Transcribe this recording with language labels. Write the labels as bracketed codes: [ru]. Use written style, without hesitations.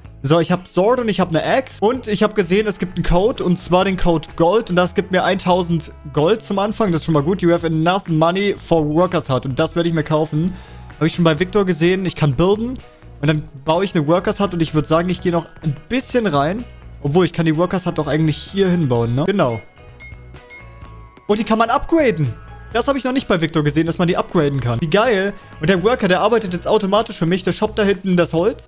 [de] So, ich habe Sword und ich habe eine Axe. Und ich habe gesehen, es gibt einen Code. Und zwar den Code Gold. Und das gibt mir 1000 Gold zum Anfang. Das ist schon mal gut. [en] You have enough money for Workers Hut. [de] Und das werde ich mir kaufen. Habe ich schon bei Victor gesehen. Ich kann bilden. Und dann baue ich eine Workers Hut. Und ich würde sagen, ich gehe noch ein bisschen rein. Obwohl, ich kann die Workers Hut doch eigentlich hier hinbauen, ne? Genau. Und die kann man upgraden. Das habe ich noch nicht bei Victor gesehen, dass man die upgraden kann. Wie geil. Und der Worker, der arbeitet jetzt automatisch für mich. Der shoppt da hinten das Holz.